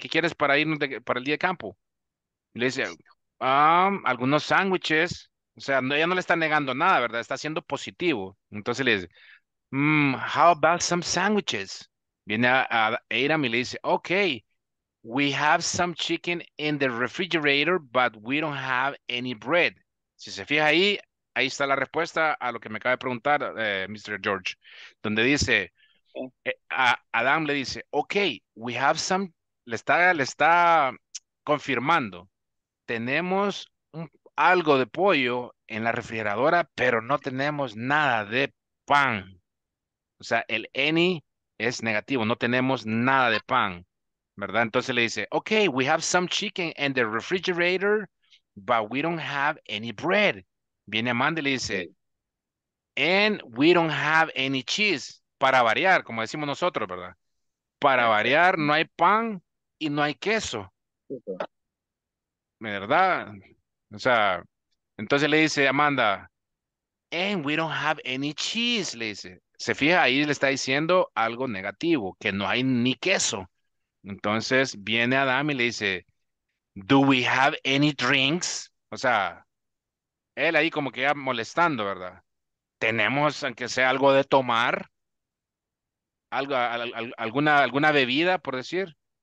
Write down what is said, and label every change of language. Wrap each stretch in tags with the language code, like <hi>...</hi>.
<es>¿Qué quieres para ir para el día de campo? Y le dice, algunos sándwiches, o sea, no, ella no le está negando nada, ¿verdad? Está siendo positivo. Entonces le dice,</es> <en>how about some sandwiches?</en> <es>Viene a Adam y le dice,</es> <en>okay, we have some chicken in the refrigerator, but we don't have any bread.</en> <es>Si se fija ahí está la respuesta a lo que me acaba de preguntar Mr. George, donde dice, Adam le dice,</es> <en>okay, we have some,</en> <es>le está confirmando. Tenemos algo de pollo en la refrigeradora, pero no tenemos nada de pan. O sea, el any es negativo, no tenemos nada de pan, ¿verdad? Entonces le dice,</es> <en>ok, we have some chicken in the refrigerator, but we don't have any bread.</en> <es>Viene Amanda y le dice,</es> <en>and we don't have any cheese,</en> <es>para variar, como decimos nosotros, ¿verdad? Para variar, no hay pan y no hay queso. ¿Verdad? O sea, entonces le dice Amanda,</es> <en>and we don't have any cheese,</en> <es>le dice. Se fija, ahí le está diciendo algo negativo, que no hay ni queso. Entonces viene Adam y le dice,</es> <en>do we have any drinks?</en> <es>O sea, él ahí como que ya molestando, ¿verdad? ¿Tenemos, aunque sea algo de tomar? Algo, alguna bebida, por decir.</es>